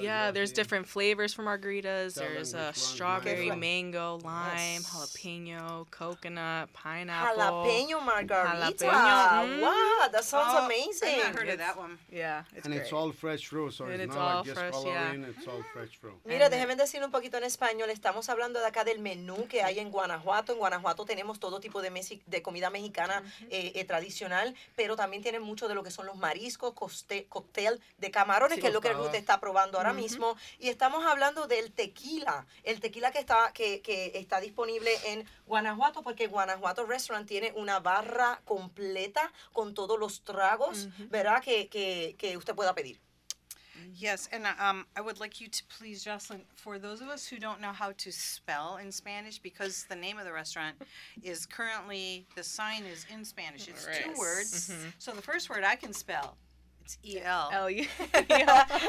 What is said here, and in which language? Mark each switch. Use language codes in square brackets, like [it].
[en] Yeah, there's different flavors for margaritas. Tell there's a strawberry, mango, lime, yes. Jalapeno, coconut, pineapple. Jalapeno margarita. Jalapeno. Wow, that sounds amazing. I've not heard of that one. Yeah, it's and great. It's all fresh fruit, so it's not like fresh, just coloring. Yeah. It's all fresh fruit. [es] Mira, déjeme decir un poquito en español. Estamos hablando de acá del menú que hay en Guanajuato. En Guanajuato tenemos todo tipo de comida mexicana, mm-hmm. tradicional, pero también tiene mucho de lo que son los mariscos, cóctel de camarones, sí, que es lo que el usted está probando ahora mismo. Y estamos hablando del tequila, el tequila que está disponible en Guanajuato, porque Guanajuato Restaurant tiene una barra completa con todos los tragos, ¿verdad?, que usted pueda pedir. [en] Yes, and I would like you to please, Jocelyn, for those of us who don't know how to spell in Spanish, because the name of the restaurant is currently, the sign is in Spanish. It's two words. Mm-hmm. So the first word I can spell, it's E-L. L-U-E-L.